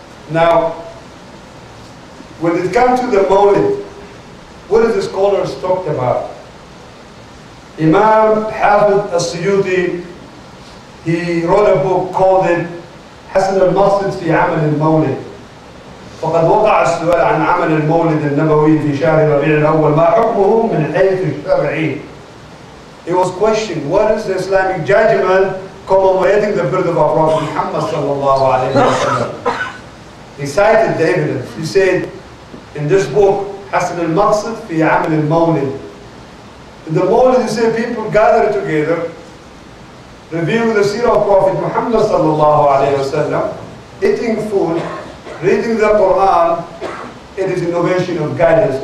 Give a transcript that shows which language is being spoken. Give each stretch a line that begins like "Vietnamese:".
English: Now, when it comes to the Mawlid, what is the scholars talked about? Imam Hafidh As-Suyuti, he wrote a book called it Hasan al-Masjid fi Amal al-Mawlid.
Arabic: فقد وقع السؤال عن عمل المولد النبوي في شهر ربيع الأول ما حكمه من حيث الشرعي.
English: He was questioned, what is the Islamic judgment commemorating the birth of our Prophet Muhammad sallallahu alayhi wa sallam? He cited the evidence. He said, in this book, Hasan al-Masjid fi Amal al-Mawlid. In the Mawlid, he said, people gather together, review the seerah of Prophet Muhammad sallallahu alayhi wa sallam, eating food, reading the Quran, it is innovation of guidance.